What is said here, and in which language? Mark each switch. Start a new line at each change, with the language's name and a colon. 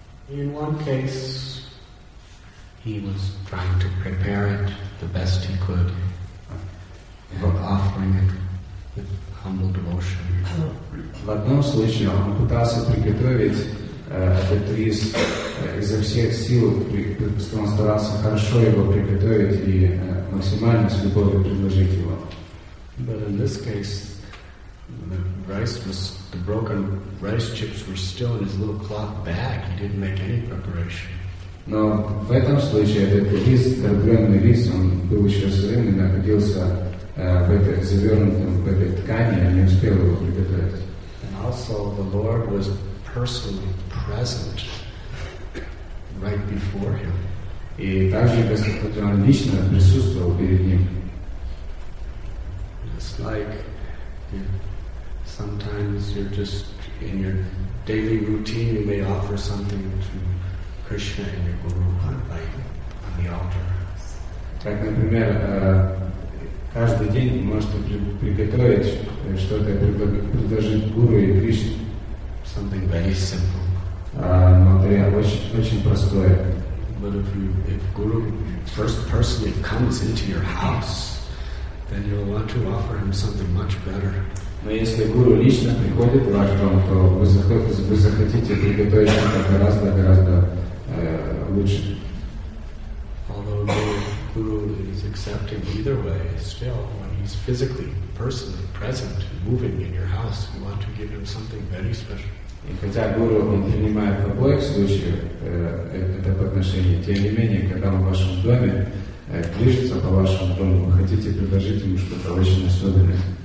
English: In one case, He was trying to prepare it the best he could, but offering it with humble devotion.
Russian: В одном случае он пытался приготовить этот рис изо всех сил, он старался хорошо его приготовить и максимально с любовью предложить его.
English: But in this case, the rice was, the broken rice chips were still in his little cloth bag. He didn't make any preparation.
Russian: Но в этом случае этот рис, разгромный рис, он был еще сырым и находился в этой завернутом в этой ткани, и не успел его приготовить.
English: And also the Lord was personally present right before him.
Russian: И также Господь он лично присутствовал перед ним.
English: It's like sometimes you're just in your daily routine, you may offer something to Krishna and your Guru on the altar.
Russian: Так, например, каждый день вы можете приготовить что-то, предложить Гуру и Кришне.
English: Something very simple.
Russian: Матрия, очень, очень простое.
English: But if Guru first personally comes into your house, then you'll want to offer him something much better.
Russian: Но если Гуру лично приходит в ваш дом, то вы захотите приготовить что-то гораздо лучше.
English: Although Guru is accepting either way, still when he's physically, personally present, moving in your house, you want to give him something very special.
Russian: И хотя Гуру он принимает в обоих случаях это подношение, тем не менее, когда он в вашем доме движется по вашему дому, вы хотите предложить ему что-то очень особенное.